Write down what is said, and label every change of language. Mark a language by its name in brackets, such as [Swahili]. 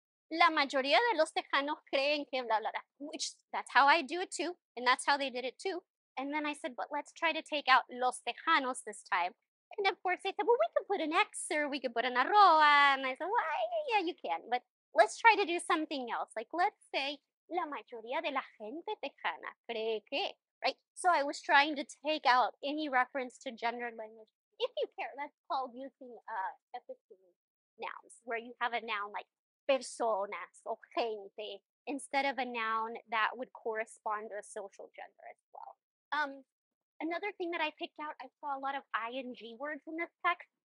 [Spanish] La mayoría de los Texanos creen que bla, bla, bla. [English] Which, that's how I do it too. And that's how they did it too. And then I said, but let's try to take out [Spanish] los Texanos [English] this time. And of course they said, well, we could put an X or we could put an arroba. And I said, well, yeah, you can. But let's try to do something else. Like, let's say, [Spanish] la mayoría de la gente Texana cree que. [English] Right, so I was trying to take out any reference to gendered language. If you care, that's called using epistemic nouns, where you have a noun like personas or gente instead of a noun that would correspond to a social gender as well. Another thing that I picked out, I saw a lot of ing words in this text.